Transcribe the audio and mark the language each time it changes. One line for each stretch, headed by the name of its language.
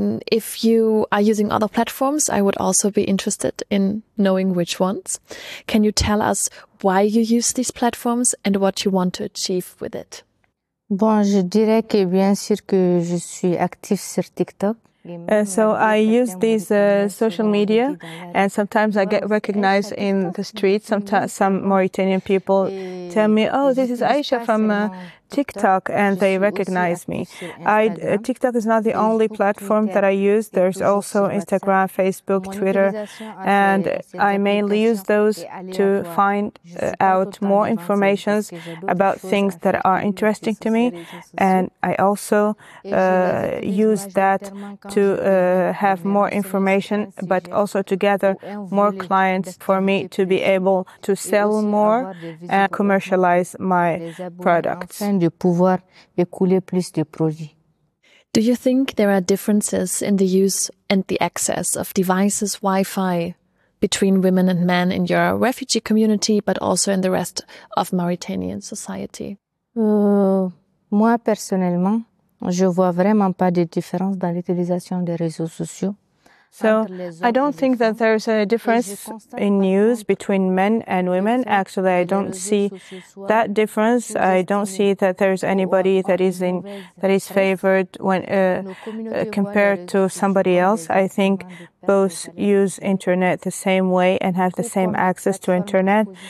English: If you are using other platforms, I would also be interested in knowing which ones. Can you tell us why you use these platforms and what you want to achieve with it?
French: Bon, je dirais que bien sûr que je suis active sur TikTok.
English: So I use these social media, and sometimes I get recognized in the street. Sometimes some Mauritanian people tell me, oh, this is Aisha from TikTok, and they recognize me. TikTok is not the only platform that I use. There's also Instagram, Facebook, Twitter, and I mainly use those to find out more information about things that are interesting to me, and I also use that to have more information, but also to gather more clients for me to be able to sell more and commercialize my products.
French: Pouvoir écouler plus de produits.
English: Do you think there are differences in the use and the access of devices, Wi-Fi, between women and men in your refugee community, but also in the rest of Mauritanian society?
French: Moi personnellement, je vois vraiment pas de différence dans l'utilisation des réseaux sociaux.
English: So I don't think that there's a difference in use between men and women. Actually, I don't see that difference. I don't see that there's anybody that is favored when compared to somebody else. I think both use internet the same way and have the same access to internet.